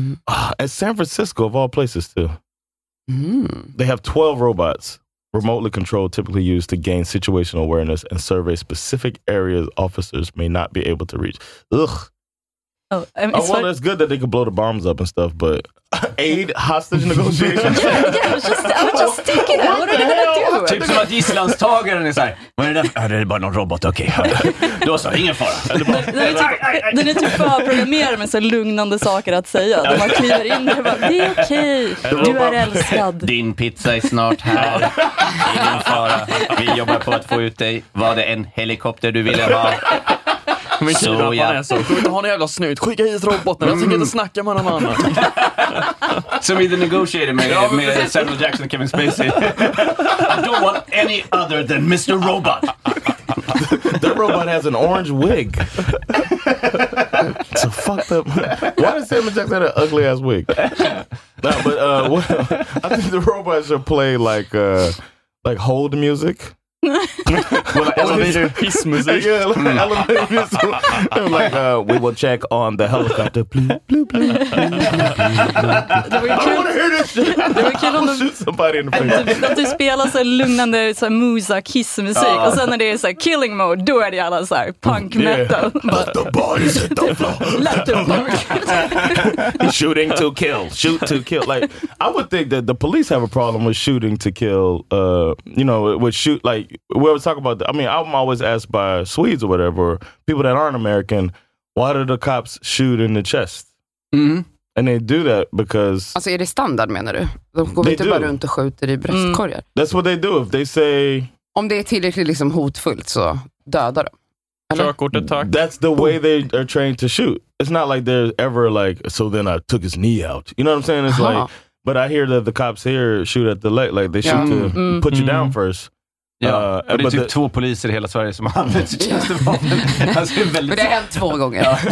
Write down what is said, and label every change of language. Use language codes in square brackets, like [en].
[en] At San Francisco, of all places, too. They have 12 robots, remotely controlled, typically used to gain situational awareness and survey specific areas officers may not be able to reach. Ugh. It's good that they could blow the bombs up and stuff, but aid hostage negotiations? I was just thinking, what are they going to do? [sv] Typ som att gisslandstagaren är såhär, vad är det där? Det är bara någon robot, okej. Då så, ingen fara. Den är typ förprogrammerad med så lugnande saker att säga. De bara kliver in och bara, det är okej. Du är älskad. Din pizza är snart här. Ingen fara. Vi jobbar på att få ut dig. Var det en helikopter du ville ha? Men så, kira, ja. Så. Du vill inte ha en jävla snut. Skicka hit roboten. Jag tycker inte snacka med någon annan. Som i The Negotiator med Samuel Jackson och Kevin Spacey. [en] I don't want any other than Mr. Robot. The robot has an orange wig. It's a fucked up. Why does Samuel Jackson have an ugly ass wig? I think the robots should play like hold music. Well, like elevator piece music. Yeah, like elevator music. Like, we will check on the helicopter. Bloop, bloop, bloop, bloop, bloop, bloop. I don't want to hear this shit. I'll shoot somebody in the face. [sv] Att du spelar så lugnande så musa kiss musik och sen när det är så [en] killing mode, [sv] då är det alla så här punk metal. [en] Let the bodies hit the floor. Let the bodies. Shooting to kill. Shoot to kill. Like, I would think that the police have a problem with shooting to kill. You know, with shoot, like, we always talk about that. I mean, I'm always asked by Swedes or whatever, people that aren't American, why do the cops shoot in the chest? And they do that because... [sv] Alltså, är det standard, menar du? De går inte bara runt och skjuter i bröstkorgar. [en] That's what they do. If they say... [sv] Om det är tillräckligt liksom hotfullt, så dödar de. Körkortet, tack. [en] That's the way they are trained to shoot. It's not like they're ever like, so then I took his knee out. You know what I'm saying? It's like, but I hear that the cops here shoot at the leg. Like, they shoot to put you down first. [sv] Ja, och det är typ två poliser i hela Sverige som har använt sig tjänstevapen. Men det har hänt två gånger.